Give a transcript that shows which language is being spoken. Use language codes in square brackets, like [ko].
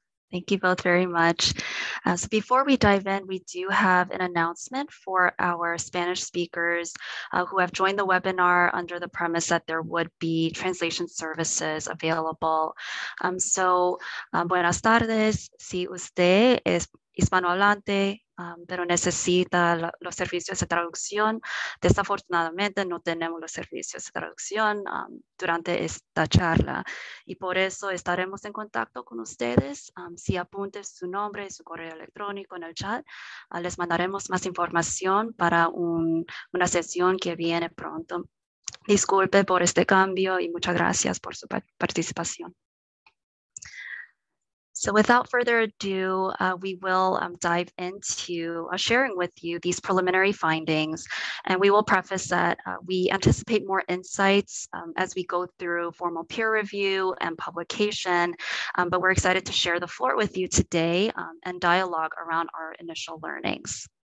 [en] Thank you both very much. So before we dive in, we do have an announcement for our Spanish speakers who have joined the webinar under the premise that there would be translation services available. [es] Buenas tardes. Si usted es hispanohablante, pero necesita los servicios de traducción. Desafortunadamente, no tenemos los servicios de traducción durante esta charla. Y por eso estaremos en contacto con ustedes. Si apunte su nombre y su correo electrónico en el chat, les mandaremos más información para una sesión que viene pronto. Disculpe por este cambio y muchas gracias por su participación. [en] So without further ado, we will dive into sharing with you these preliminary findings. And we will preface that we anticipate more insights as we go through formal peer review and publication, but we're excited to share the floor with you today and dialogue around our initial learnings.